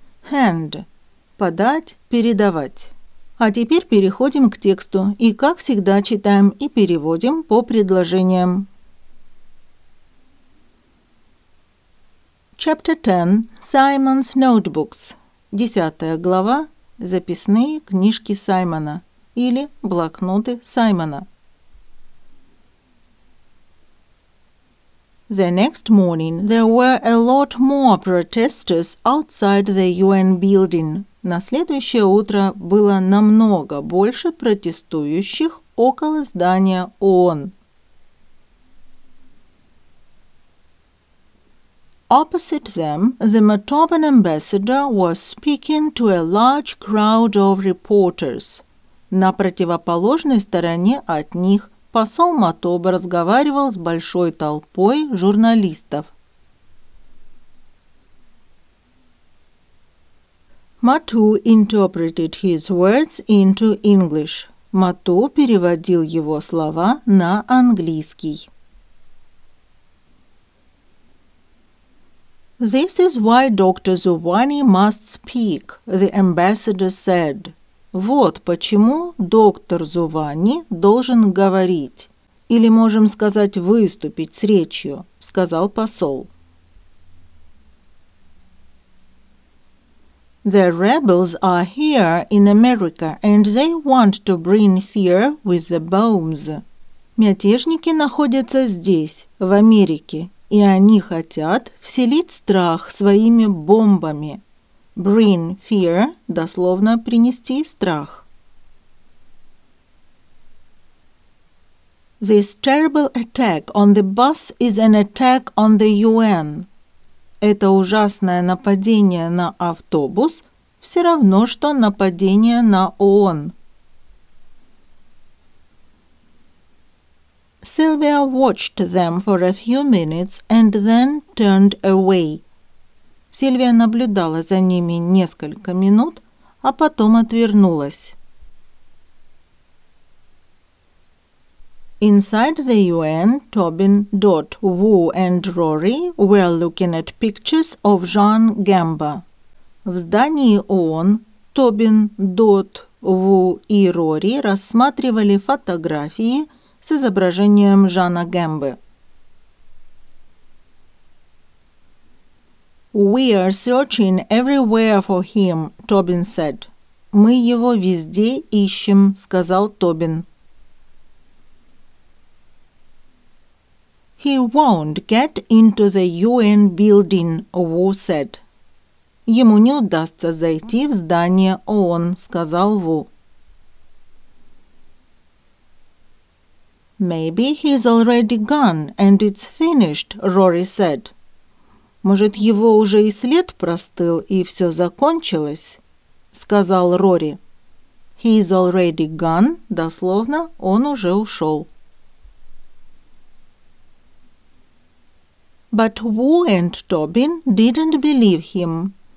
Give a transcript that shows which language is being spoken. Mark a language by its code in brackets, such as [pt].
[ru] Hand – подать, передавать. А теперь переходим к тексту и, как всегда, читаем и переводим по предложениям. [en] Chapter 10 – Simon's Notebooks. [ru] 10 глава. Записные книжки Саймона или блокноты Саймона. [en] The next morning there were a lot more protesters outside the UN building. [ru] На следующее утро было намного больше протестующих около здания ООН. [en] Opposite them, the Matoban ambassador was speaking to a large crowd of reporters. [ru] На противоположной стороне от них посол Матоба разговаривал с большой толпой журналистов. [en] Мату interpreted his words into English. [ru] Мату переводил его слова на английский. [en] This is why Dr. Zuwani must speak, the ambassador said. [ru] Вот почему доктор Зувани должен говорить, или можем сказать выступить с речью, сказал посол. [en] The rebels are here in America and they want to bring fear with the bombs. [ru] Мятежники находятся здесь, в Америке. И они хотят вселить страх своими бомбами. [en] Bring fear [ru] – дословно принести страх. [en] This terrible attack on the bus is an attack on the UN. [ru] Это ужасное нападение на автобус все равно, что нападение на ООН. [en] Sylvia watched them for a few minutes and then turned away. [ru] Сильвия наблюдала за ними несколько минут, а потом отвернулась. [en] Inside the UN, Tobin, Dot, Wu and Rory were looking at pictures of Jean Gamba. [ru] В здании ООН Тобин, Дот, Ву и Рори рассматривали фотографии с изображением Жана Гэмбы. [en] «We are searching everywhere for him», – Тобин said. [ru] «Мы его везде ищем», – сказал Тобин. [en] «He won't get into the UN building», – Ву said. [ru] «Ему не удастся зайти в здание ООН», – сказал Ву. [en] Maybe he's already gone and it's finished, Rory said. [ru] Может, его уже и след простыл, и все закончилось, сказал Рори. [en] He's already gone, [ru] дословно, он уже ушел. [en] But Wu and Tobin didn't believe him.